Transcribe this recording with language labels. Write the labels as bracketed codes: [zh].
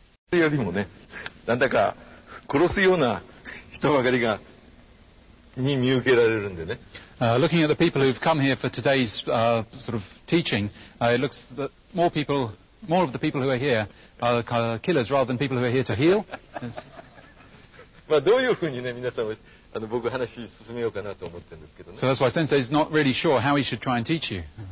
[ja] それよりもね、なんだか殺すような人ばかりがに見受けられるんでね。 [en] Looking at the people who've come here for today's sort of teaching, it looks that more of the people who are here are killers rather than people who are here to heal. [ja] まあどういうふうにね、皆さんは僕話進めようかなと思ってるんですけどね。 [en] So that's why Sensei is not really sure how he should try and teach you.